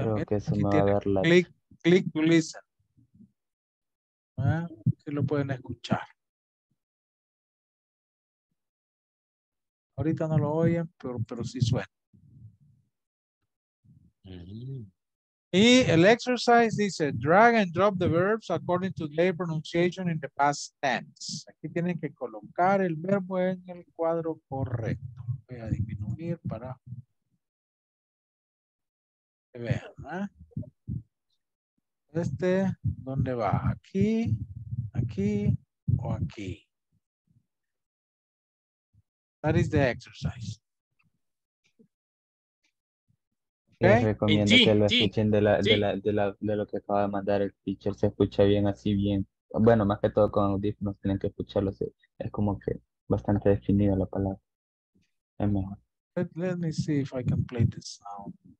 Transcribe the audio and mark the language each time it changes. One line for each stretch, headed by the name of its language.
Spanish: creo que eso me va a dar la...
English: Click to listen.
Spanish: Aquí lo pueden escuchar. Ahorita no lo oyen, pero sí suena. Mm-hmm.
English: El exercise
Spanish: dice
English: drag and drop the verbs according to their pronunciation in the past tense.
Spanish: Aquí tienen que colocar el verbo en el cuadro correcto. Voy a disminuir para que vean. ¿Eh? Este, ¿dónde va? ¿Aquí, aquí o aquí?
English: That is the exercise. Okay.
Spanish: Les recomiendo que lo escuchen de lo que acaba de mandar el teacher, se escucha bien así bien. Bueno, más que todo con audífonos tienen que escucharlo, es como que bastante definida la palabra. Es mejor.
English: Let me see if I can play the sound.